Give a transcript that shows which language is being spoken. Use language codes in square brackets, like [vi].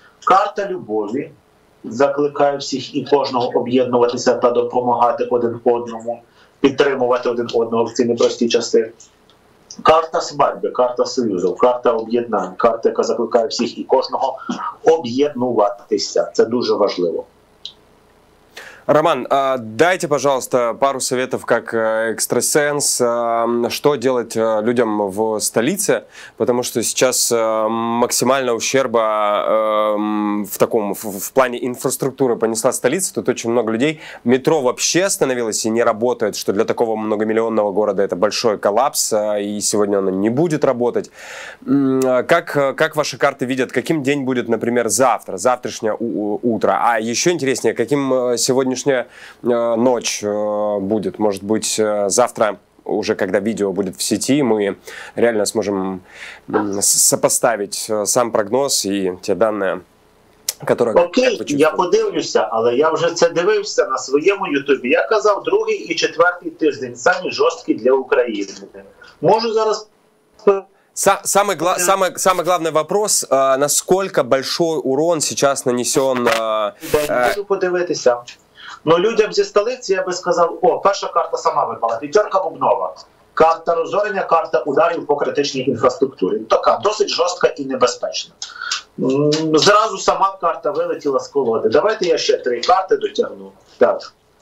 [uk] Карта любові. Закликаю всіх і кожного об'єднуватися та допомагати один одному, підтримувати один одного в ці непрості часи. Карта свадьби, карта союзу, карта об'єднань, карта, яка закликає всіх і кожного об'єднуватися. Це дуже важливо. [ru] Роман, дайте, пожалуйста, пару советов как экстрасенс, что делать людям в столице, потому что сейчас максимально ущерба в плане инфраструктуры понесла столица, тут очень много людей, метро вообще остановилось и не работает, что для такого многомиллионного города это большой коллапс, и сегодня оно не будет работать. Как ваши карты видят, каким день будет, например, завтра, завтрашнее утро, а еще интереснее, каким сегодняшний ночь будет, может быть, завтра, уже когда видео будет в сети, мы реально сможем сопоставить сам прогноз и те данные, которые... [uk] Окей, я подивлюся, але я уже це дивився на своєму ютубі. Я казав, другий і четвертий тиждень самі жорсткі для України. Можу зараз... [ru] Самый главный вопрос, насколько большой урон сейчас нанесен... [uk] Можу подивитися. Ну, людям зі столиці я би сказав, о, перша карта сама випала, п'ятерка бубнова, карта розорення, карта ударів по критичній інфраструктурі. Така, досить жорстка і небезпечна. Зразу сама карта вилетіла з колоди. Давайте я ще три карти дотягну. Так.